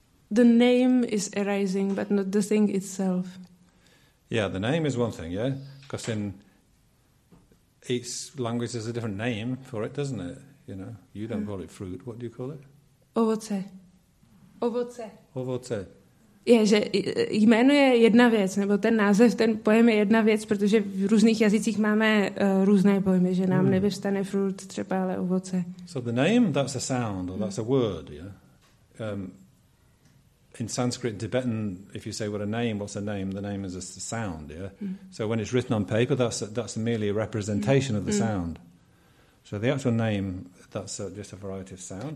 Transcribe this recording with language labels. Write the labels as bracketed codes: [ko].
[en] The name is arising, but not the thing itself. Yeah, the name is one thing, yeah? Because in each language there's a different name for it, doesn't it? You know, you don't call it fruit, what do you call it? [cs] Ovoce. Ovoce. Ovoce. Je, že jméno je jedna věc, nebo ten název, ten pojem je jedna věc, protože v různých jazycích máme různé pojmy, že nám nevyvstane fruit třeba, ale ovoce. [en] So the name, that's a sound, or that's a word, yeah? In Sanskrit, Tibetan, if you say what's a name, the name is a sound, yeah? So when it's written on paper, that's merely a representation of the sound. So the actual name, that's just a variety of sound.